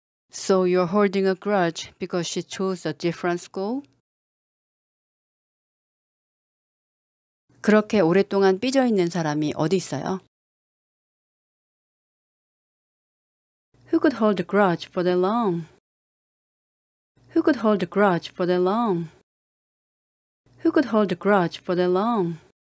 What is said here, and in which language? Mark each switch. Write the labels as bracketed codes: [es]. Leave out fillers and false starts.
[en] So you are holding a grudge because she chose a different school? [ko] 그렇게 오랫동안 삐져 있는 사람이 어디 있어요? [en] Who could hold a grudge for that long? Who could hold a grudge for that long? Who could hold a grudge for that long?